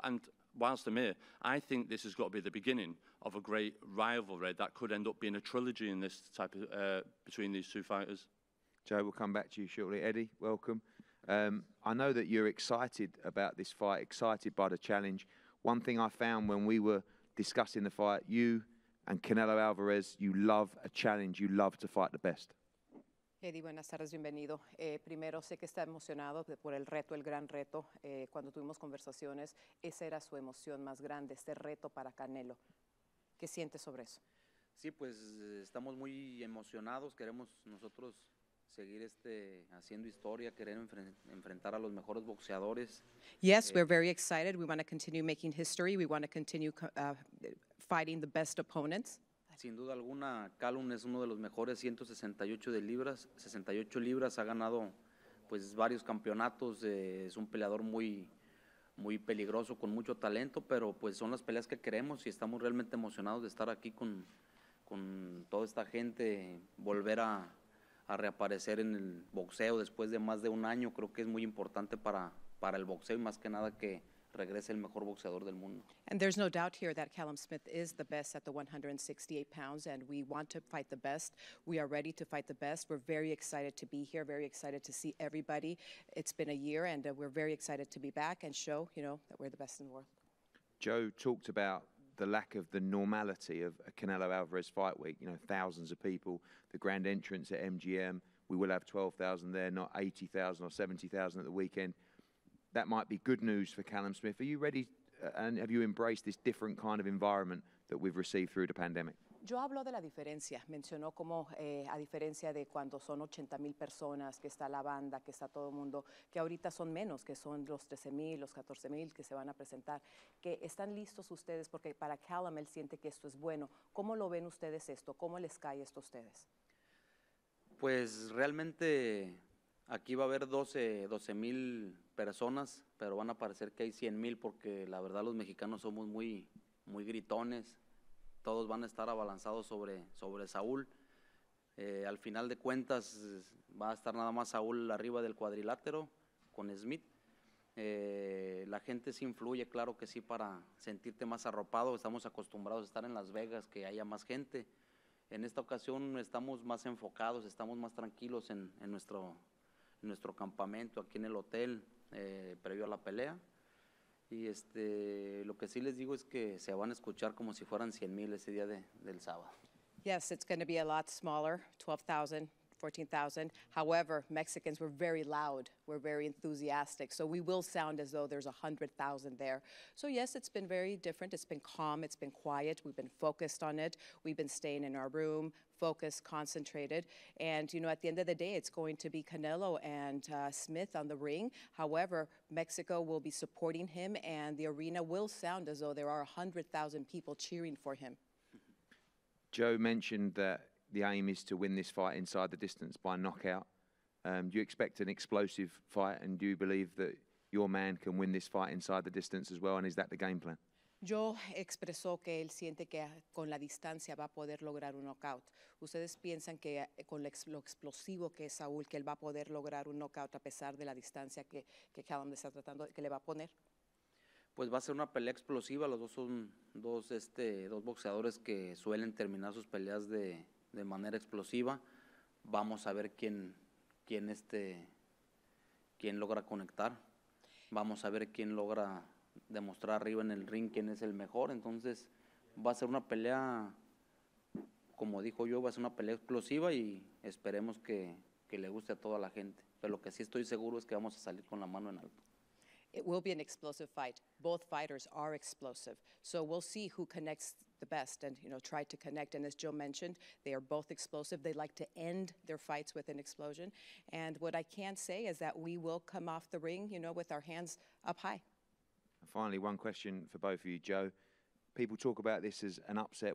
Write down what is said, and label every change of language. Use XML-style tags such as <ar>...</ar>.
<en>And whilst I'm here, I think this has got to be the beginning of a great rivalry that could end up being a trilogy in this type of between these two fighters. Joe, we'll come back to you shortly. Eddie, welcome. I know that you're excited about this fight, excited by the challenge. One thing I found when we were discussing the fight, you and Canelo Alvarez, you love a challenge. You love to fight the best.</en> <es>Eddie, buenas tardes, bienvenido. Primero, sé que está emocionado por el reto, el gran reto. Cuando tuvimos conversaciones, esa era su emoción más grande, este reto para Canelo. ¿Qué sientes sobre eso? Sí, pues estamos muy emocionados. Queremos nosotros seguir haciendo historia, querer enfrentar a los mejores boxeadores.</es> <en>Yes, we're very excited. We want to continue making history. We want to continue fighting the best opponents.</en> <es>Sin duda alguna, Callum es uno de los mejores 168 de libras. 68 libras ha ganado pues varios campeonatos. Es un peleador muy, muy peligroso, con mucho talento, pero pues son las peleas que queremos y estamos realmente emocionados de estar aquí con toda esta gente, volver a reaparecer en el boxeo después de más de un año. Creo que es muy importante para el boxeo y más que nada que regrese el mejor boxeador del mundo.</es> <en>And there's no doubt here that Callum Smith is the best at the 168 pounds, and we want to fight the best. We are ready to fight the best. We're very excited to be here, very excited to see everybody. It's been a year, and we're very excited to be back and show, you know, that we're the best in the world. Joe talked about the lack of the normality of a Canelo Alvarez fight week. You know, thousands of people, the grand entrance at MGM. We will have 12,000 there, not 80,000 or 70,000 at the weekend. That might be good news for Callum Smith. Are you ready and have you embraced this different kind of environment that we've received through the pandemic?</en> <es>Yo hablo de la diferencia. Mencionó como a diferencia de cuando son 80,000 personas, que está la banda, que está todo el mundo, que ahorita son menos, que son los 13,000, los 14,000 que se van a presentar, que están listos ustedes porque para Callum él siente que esto es bueno. ¿Cómo lo ven ustedes esto? ¿Cómo les cae esto a ustedes? Pues realmente aquí va a haber 12,000 personas, pero van a parecer que hay 100,000 porque la verdad los mexicanos somos muy, muy gritones. Todos van a estar abalanzados sobre Saúl. Al final de cuentas va a estar nada más Saúl arriba del cuadrilátero con Smith. La gente se influye, claro que sí, para sentirte más arropado. Estamos acostumbrados a estar en Las Vegas, que haya más gente. En esta ocasión estamos más enfocados, estamos más tranquilos en nuestro campamento, aquí en el hotel, previo a la pelea. Y lo que sí les digo es que se van a escuchar como si fueran 100,000 ese día del sábado.</es> <en>Yes, it's going to be a lot smaller, 12,000 14,000. However, Mexicans were very loud. We're very enthusiastic. So we will sound as though there's 100,000 there. So yes, it's been very different. It's been calm. It's been quiet. We've been focused on it. We've been staying in our room, focused, concentrated. And, you know, at the end of the day, it's going to be Canelo and Smith on the ring. However, Mexico will be supporting him, and the arena will sound as though there are 100,000 people cheering for him. Joe mentioned that the aim is to win this fight inside the distance by knockout. Do you expect an explosive fight, and do you believe that your man can win this fight inside the distance as well, and is that the game plan?</en> <es>Yo expresó que él siente que con la distancia va a poder lograr un knockout. ¿Ustedes piensan que con lo explosivo que es Saúl, que él va a poder lograr un knockout a pesar de la distancia que Callum está tratando, que le va a poner? Pues va a ser una pelea explosiva. Los dos son dos boxeadores que suelen terminar sus peleas de manera explosiva. Vamos a ver quién logra conectar. Vamos a ver quién logra demostrar arriba en el ring quién es el mejor. Entonces va a ser una pelea, como dijo yo, va a ser una pelea explosiva y esperemos que le guste a toda la gente. Pero lo que sí estoy seguro es que vamos a salir con la mano en alto.</es> <en>It will be an explosive fight. Both fighters are explosive. So we'll see who connects the best and, you know, try to connect. And as Joe mentioned, they are both explosive. They like to end their fights with an explosion. And what I can say is that we will come off the ring, you know, with our hands up high. Finally, one question for both of you, Joe. People talk about this as an upset.</en>